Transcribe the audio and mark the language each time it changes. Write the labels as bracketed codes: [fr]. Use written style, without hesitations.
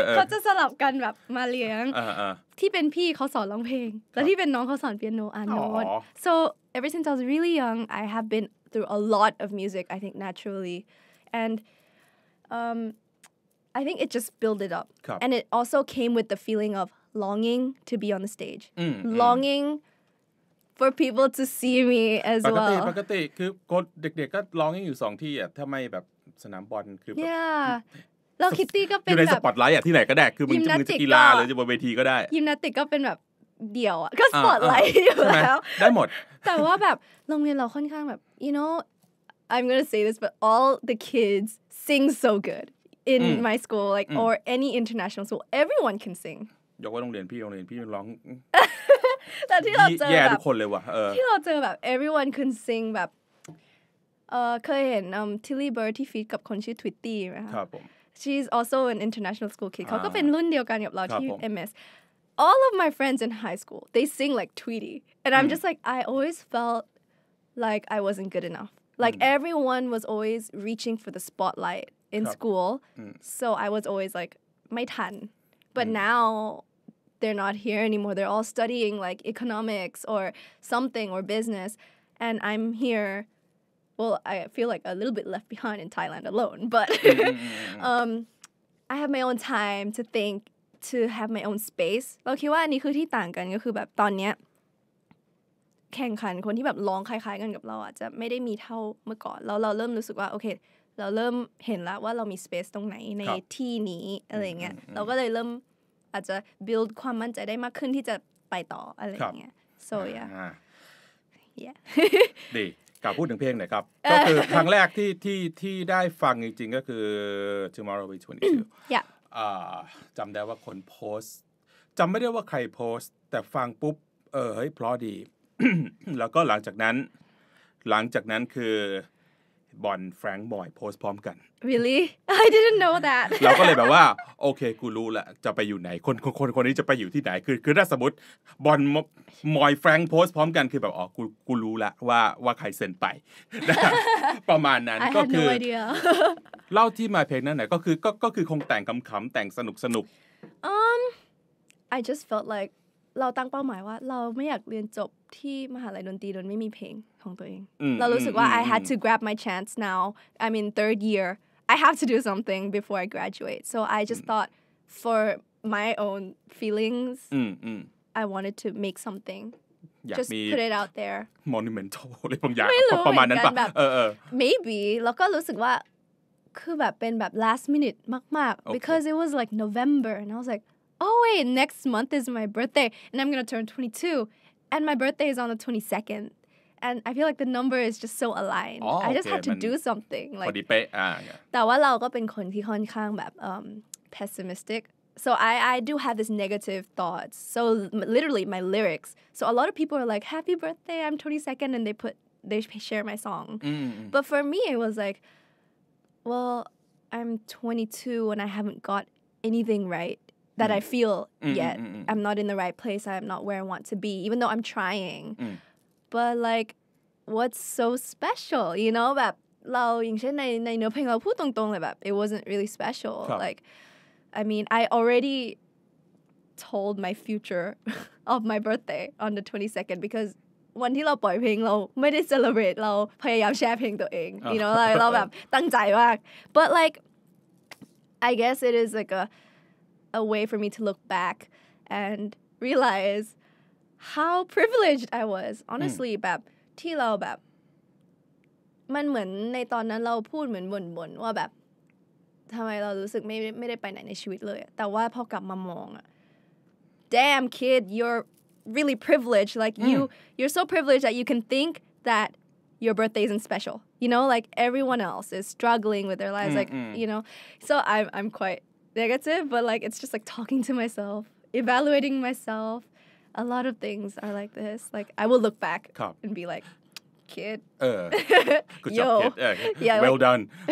[th] เขาจะสลับกันแบบมาเลี้ยงที่เป็นพี่เขาสอนร้องเพลงแล้วที่เป็นน้องเขาสอนเปียโนอ่านโน้ต [en] so ever since I was really young I have been through a lot of music I think naturally andI think it just built it up. And it also came with the feeling of longing to be on the stage. Longing for people to see me as well. [th] ปกติคือคนเด็กๆก็ longing อยู่สองที่อ่ะถ้าไม่แบบสนามบอลคือแบบ [en] Yeah. [th] แล้วคิตตี้ก็เป็น อยู่ในสปอตไลท์อ่ะที่ไหนก็ได้คือมึงจะกีฬาหรือจะบนเวทีก็ได้ ยิมนาสติกก็เป็นแบบเดี่ยวอ่ะก็สปอตไลท์อยู่แล้ว ได้หมด แต่ว่าแบบโรงเรียนเราค่อนข้างแบบ [en] you know I'm going to say this but all the kids sing so good. In my school, like or any international school, everyone can sing. [th] ยกว่าโรงเรียนพี่ร้อง แต่ที่เราเจอแบบ ทุกคนเลยว่ะ ที่เราเจอแบบ [en] everyone can sing [th] แบบเคยเห็นทิลลี่เบิร์ที่ฟีดกับคนชื่อทวิตตี้ไหม ค ะ ครับผม [en] She's also an international school kid. [th] เขาก็เป็นรุ่นเดียวกันกับเราที่ MS. [en] All of my friends in high school they sing like Tweety, and I'm just like I always felt like I wasn't good enough. Like everyone was always reaching for the spotlight. In school, so I was always like my tan, but now they're not here anymore. They're all studying like economics or something or business, and I'm here. Well, I feel like a little bit left behind in Thailand alone, but I have my own time to think, to have my own space. [th] เราคิดว่าอันนี้คือที่ต่างกันก็คือแบบตอนเนี้ยแข่งขันคนที่แบบร้องคล้ายๆกันกับเราอ่ะจะไม่ได้มีเท่าเมื่อก่อนแล้วเราเริ่มรู้สึกว่าโอเคเราเริ่มเห็นแล้วว่าเรามี space ตรงไหนในที่นี้อะไรเงี้ยเราก็เลยเริ่มอาจจะ build ความมั่นใจได้มากขึ้นที่จะไปต่ออะไรเงี้ย [en] so yeah [th] ดีกลับพูดถึงเพลงหน่อยครับก็คือครั้งแรกที่ได้ฟังจริงๆก็คือ tomorrow we 22จำได้ว่าคนโพสต์จำไม่ได้ว่าใครโพสต์แต่ฟังปุ๊บเฮ้ยเพราะดีแล้วก็หลังจากนั้นคือบอนแฟรงค์บอยโพสต์พร้อมกัน [en] Really I didn't know that [th] เราก็เลยแบบว่าโอเคกูรู้ละจะไปอยู่ไหนคนนี้จะไปอยู่ที่ไหนคือถ้าสมมติบอนมอยแฟรงค์โพสต์พร้อมกันคือแบบอ๋อกูรู้ละว่าใครเซ็นไปประมาณนั้นก็ คือ เล่าที่มาเพลงนั้นหน่อยก็คือคงแต่งคำๆแต่งสนุก [en] I just felt like [th] เราตั้งเป้าหมายว่าเราไม่อยากเรียนจบที่มหาลัยดนตรีโดยไม่มีเพลงของตัวเอง [en] เรารู้สึกว่า I had to grab my chance now I'm in third year I have to do something before I graduate so I just thought for my own feelings I wanted to make something just put it out there [th] monumental เลยบางอย่างประมาณนั้นป่ะ [en] maybe [th] แล้วก็รู้สึกว่าคือแบบเป็นแบบ [en] last minute มากๆ because it was like November and I was like oh wait next month is my birthday and I'm gonna turn 22And my birthday is on the 22nd. And I feel like the number is just so aligned. Oh, okay. I just had to do something. [th] พอดีเป๊ะ แต่ว่าเราก็เป็นคนที่ค่อนข้างแบบ [en] pessimistic. So I do have this negative thoughts. So literally my lyrics. So a lot of people are like, happy birthday, I'm 22nd. And they share my song. But for me, it was like, well, I'm 22 and I haven't got anything right. That I feel yet. I'm not in the right place. I'm not where I want to be, even though I'm trying. But like, what's so special? You know, [th] แบบเราอย่างเช่นในเนื้อเพลงเราพูดตรงๆเลยแบบ [en] it wasn't really special. Like, I mean, I already told my future of my birthday on the 22nd because [th] วันที่เราปล่อยเพลงเราไม่ได้เซเลบริตเราพยายามแชร์เพลงตัวเอง [en] You know, like, [th] เราแบบตั้งใจมาก [en] But like, I guess it is like a way for me to look back and realize how privileged I was. Honestly, [th] แบบที่เราแบบมันเหมือนในตอนนั้นเราพูดเหมือนบ่นๆว่าแบบ ทำไมเรารู้สึกไม่ได้ไปไหนในชีวิตเลยแต่ว่าพอกลับมามองอะ [en] damn kid you're really privileged like you're so privileged that you can think thatYour birthday isn't special, you know. Like everyone else is struggling with their lives, you know. So I'm quite negative, but like it's just like talking to myself, evaluating myself. A lot of things are like this. Like I will look back and be like, kid, good job, kid. Yeah, well done.